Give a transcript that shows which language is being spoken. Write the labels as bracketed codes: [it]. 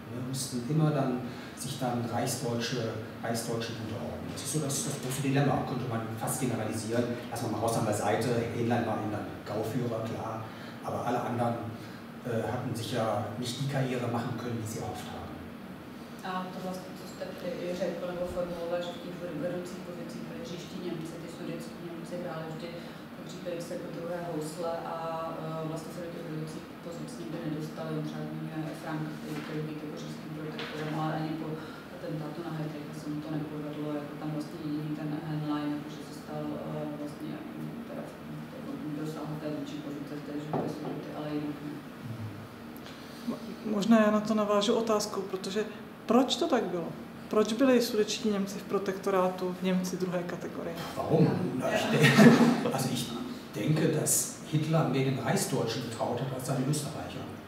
[de] Wir mussten immer dann sich dann Reichsdeutsche unterordnen. Das ist so das große Dilemma, könnte man fast generalisieren. Lassen wir mal raus an der Seite, Hähnlein war ihnen dann Gauführer, klar. Aber alle anderen hatten sich ja nicht die Karriere machen können, die sie oft haben. [cs] Tak řekl nebo formuloval, že v těch vedoucích pozicích byly říští Němci, ty sudetští Němci hráli vždy po případě se po druhé housle a vlastně se do těch vedoucích pozic nikdy nedostali, třeba Frank, který byl jako říjský protektorem, ale ani po atentátu na Heydricha se mu to nepovedlo, jako tam vlastně jediný ten Henlein, jakože se stal vlastně, teda dosáhl té větší pozice v té župě Sudety, ale jinak ne. Možná já na to navážu otázkou, protože proč to tak bylo? Proč byli sudetští Němci v protektorátu v Němci druhé kategorie? [de] Warum? Also ich denke, dass Hitler mehr den Reichsdeutschen getraut hat als seine Österreicher.